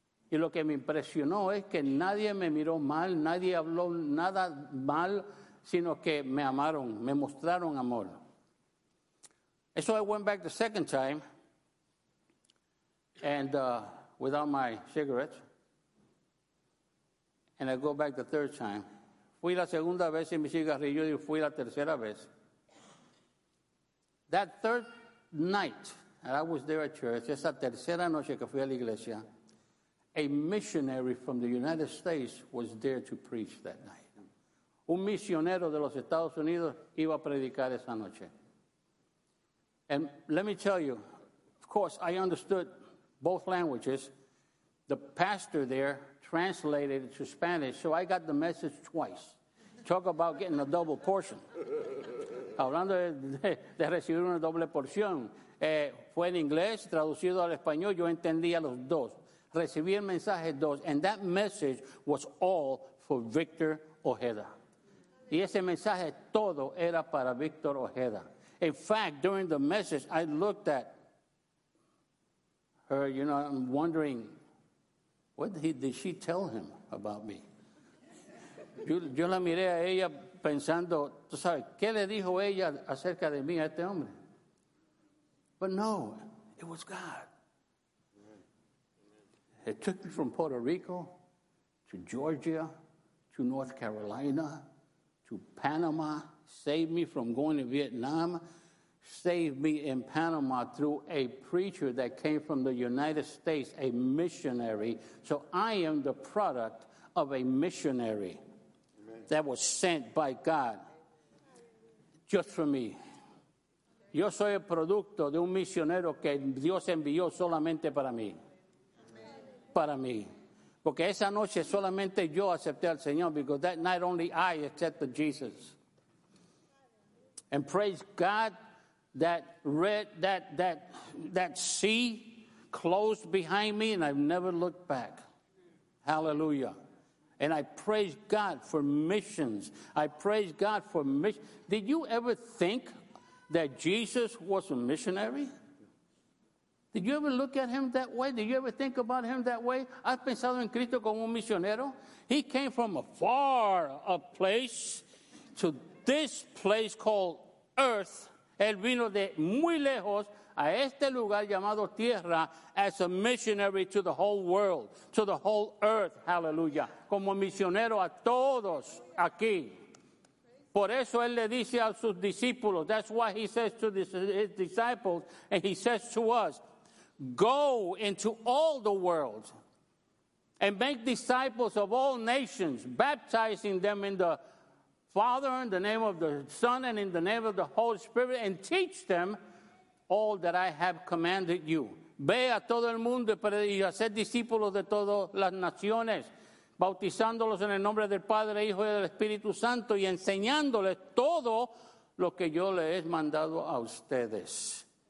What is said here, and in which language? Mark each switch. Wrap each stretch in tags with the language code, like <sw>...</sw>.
<es>Y lo que me impresionó es que nadie me miró mal, nadie habló nada mal, sino que me amaron, me mostraron amor.</es> <en>And so I went back the second time, and without my cigarettes, and I go back the third time.</en> <es>Fui la segunda vez sin mi cigarrillo y fui la tercera vez.</es> <en>That third night that I was there at church,</en> <es>esa tercera noche que fui a la iglesia,</es> <en>a missionary from the United States was there to preach that night.</en> <es>Un misionero de los Estados Unidos iba a predicar esa noche.</es> <en>And let me tell you, of course, I understood both languages. The pastor there translated it to Spanish, so I got the message twice. Talk about getting a double portion.</en> <es>Hablando de recibir una doble porción. Fue en inglés, traducido al español, yo entendía los dos. Recibí el mensaje dos,</es> <en>and that message was all for Victor Ojeda.</en> <es>Y ese mensaje todo era para Victor Ojeda.</es> <en>In fact, during the message, I looked at her, you know, I'm wondering, did she tell him about me? Yo la miré a ella pensando, tú sabes, ¿qué le dijo ella acerca de mí a este hombre? But no, it was God. It took me from Puerto Rico to Georgia to North Carolina to Panama, saved me from going to Vietnam, saved me in Panama through a preacher that came from the United States, a missionary. So I am the product of a missionary. Amen. That was sent by God just for me.</en> <es>Yo soy el producto de un misionero que Dios envió solamente para mí. Para mí, porque esa noche solamente yo acepté al Señor,</es> <en>because that night only I accepted Jesus. And praise God, that red, that sea closed behind me, and I've never looked back. Hallelujah. And I praise God for missions. I praise God for missions. Did you ever think that Jesus was a missionary? Did you ever look at him that way? Did you ever think about him that way?</en> <es>¿Has pensado en Cristo como un misionero?</es> <en>He came from afar a place to this place called Earth.</en> <es>Él vino de muy lejos a este lugar llamado Tierra</es> <en>as a missionary to the whole world, to the whole Earth. Hallelujah.</en> <es>Como misionero a todos aquí. Por eso él le dice a sus discípulos.</es> <en>That's why he says to his disciples, and he says to us, go into all the world and make disciples of all nations, baptizing them in the Father, in the name of the Son, and in the name of the Holy Spirit, and teach them all that I have commanded you.</en> <es>Ve a todo el mundo y hacer discípulos de todas las naciones, bautizándolos en el nombre del Padre, Hijo y del Espíritu Santo, y enseñándoles todo lo que yo les he mandado a ustedes.</es>